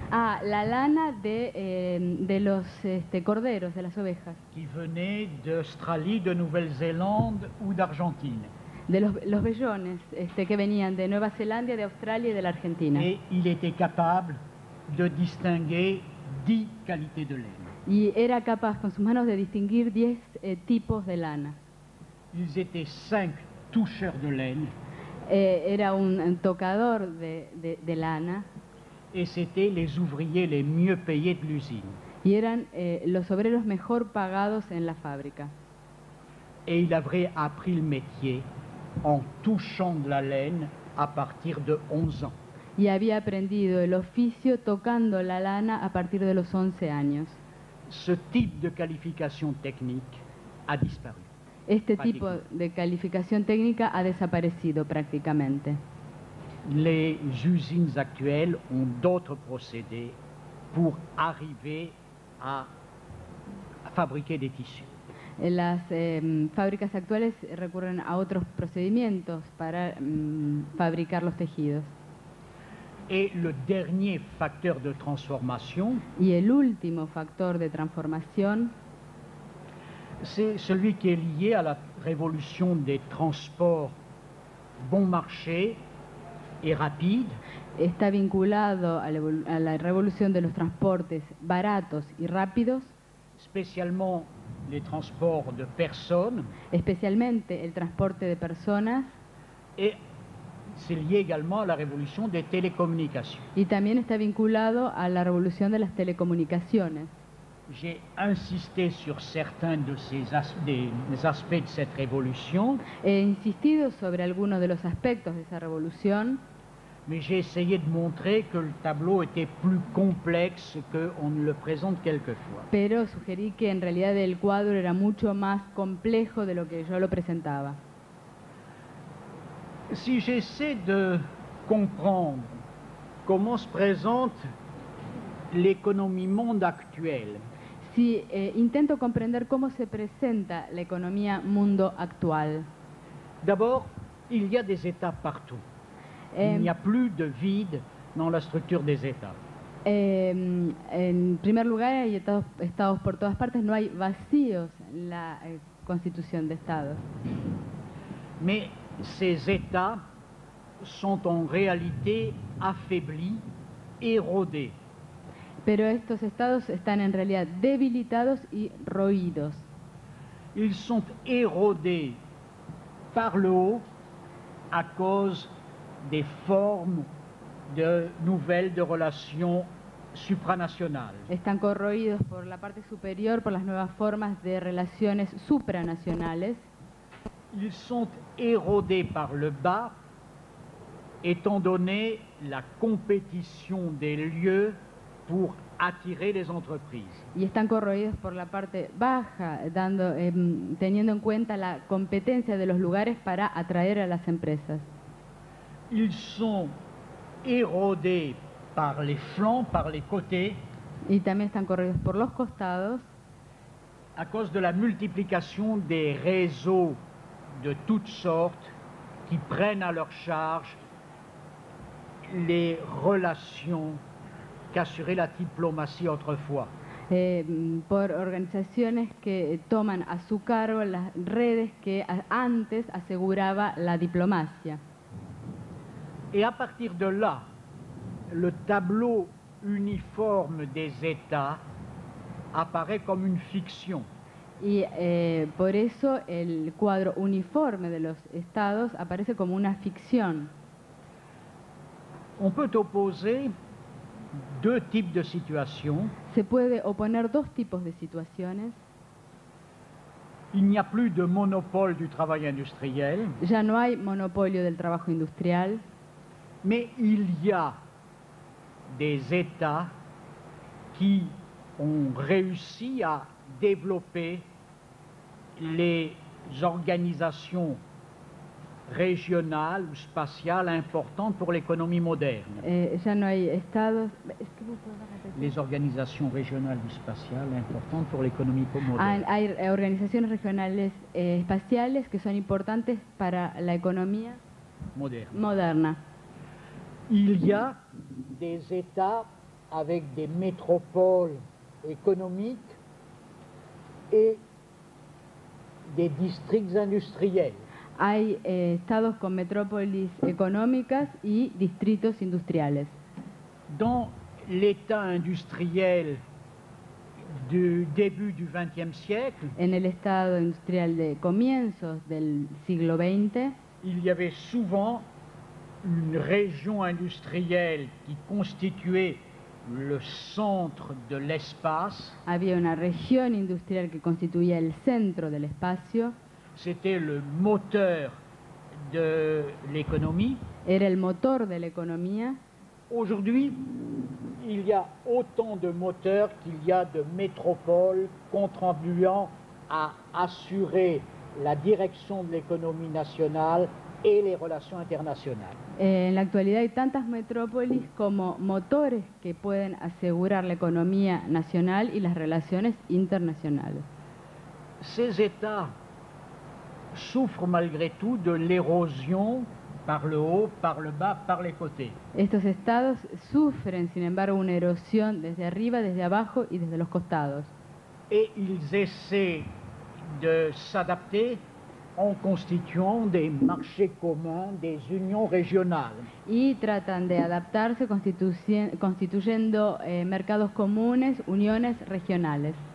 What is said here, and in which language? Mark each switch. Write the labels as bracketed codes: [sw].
[es] Ah, la lana de los corderos, de las ovejas. [fr] Qui venaient d'Australie, de Nouvelle-Zélande ou d'Argentine. [es] De los vellones que venían de Nueva Zelanda, de Australia y de la Argentina. [fr] Et il était capable de distinguer 10 qualités de laine. [es] Y era capaz con sus manos de distinguir 10 tipos de lana. [fr] Ils étaient 5 toucheurs de laine. [es] Era un tocador de lana. [fr] Et c'était les ouvriers les mieux payés de l'usine. [es] Y eran los obreros mejor pagados en la fábrica. [fr] Et il avait appris le métier en touchant de la laine à partir de 11 ans. [es] Y había aprendido el oficio tocando la lana a partir de los 11 años. [fr] Ce type de qualification technique a disparu. [es] Este tipo de calificación técnica ha desaparecido prácticamente. [fr] Les usines actuelles ont d'autres procédés pour arriver à fabriquer des tissus. [es] Las fábricas actuales recurren a otros procedimientos para fabricar los tejidos. [fr] Et le dernier facteur de transformation. [es] Y el último factor de transformación. [fr] C'est celui qui est lié à la révolution des transports bon marché et rapide. [es] Está vinculado a la revolución de los transportes baratos y rápidos. [fr] Spécialement les transports de personnes. [es] Especialmente el transporte de personas. [fr] Et c'est lié également à la révolution des télécommunications. [es] Y también está vinculado a la revolución de las telecomunicaciones. [fr] J'ai insisté sur certains de ces aspects de cette révolution. [es] He insistido sobre algunos de los aspectos de esa revolución. [fr] Mais j'ai essayé de montrer que le tableau était plus complexe que on ne le présente quelquefois. [es] Pero sugerí que en realidad el cuadro era mucho más complejo de lo que yo lo presentaba. [fr] Si j'essaie de comprendre comment se présente l'économie monde actuelle. [es] Si intento comprender cómo se presenta la economía mundo actual. [fr] D'abord, il y a des États partout. Il n'y a plus de vide dans la structure des États. [es] En primer lugar, hay estados por todas partes, no hay vacíos en la constitución de estados. [fr] Mais ces États sont en réalité affaiblis, érodés. [es] Pero estos estados están en realidad debilitados y roídos. [fr] Ils sont érodés par le haut à cause des formes de nouvelles de relations supranationales. [es] Están corroídos por la parte superior por las nuevas formas de relaciones supranacionales. [fr] Ils sont érodés par le bas étant donné la compétition des lieux pour attirer les entreprises. [es] Y están corroídos por la parte baja, teniendo en cuenta la competencia de los lugares para atraer a las empresas. [fr] Ils sont érodés par les flancs, par les côtés. [es] Y también están corroídos por los costados. [fr] À cause de la multiplication des réseaux de toutes sortes qui prennent à leur charge les relations qu'assurait la diplomatie autrefois. [es] Por organizaciones que toman a su cargo las redes que antes aseguraba la diplomacia. [fr] Et à partir de là, le tableau uniforme des États apparaît comme une fiction. [es] Y por eso el cuadro uniforme de los estados aparece como una ficción. [fr] On peut opposer deux types de situations. [es] Se puede oponer dos tipos de situaciones. [fr] Il n'y a plus de monopole du travail industriel. [es] Ya no hay monopolio del trabajo industrial. [fr] Mais il y a des États qui ont réussi à développer les organisations régionales ou spatiales importantes pour l'économie moderne. [es] Ya no hay estados. [fr] Les organisations régionales ou spatiales importantes pour l'économie moderne. [es] Hay organizaciones regionales espaciales que son importantes para la economía moderna. [fr] Il y a des États avec des métropoles économiques et des districts industriels. [es] Hay estados con metrópolis económicas y distritos industriales. [fr] Dans l'état industriel du début du XXe siècle, [es] en el estado industrial de comienzos del siglo XX, [fr] il y avait souvent une région industrielle qui constituait le centre de l'espace. [es] Había una región industrial que constituía el centro del espacio. [fr] C'était le moteur de l'économie. [es] Era el motor de la economía. [fr] Aujourd'hui, il y a autant de moteurs qu'il y a de métropoles contribuant à assurer la direction de l'économie nationale et les relations internationales. [es] En la actualidad hay tantas metrópolis como motores que pueden asegurar la economía nacional y las relaciones internacionales. [fr] Ces États souffrent malgré tout de l'érosion par le haut, par le bas, par les côtés. [es] Estos estados sufren, sin embargo, una erosión desde arriba, desde abajo y desde los costados. [fr] Et ils essaient de s'adapter en constituant des marchés communs, des unions régionales. [es] Y tratan de adaptarse constituyendo mercados comunes, uniones regionales.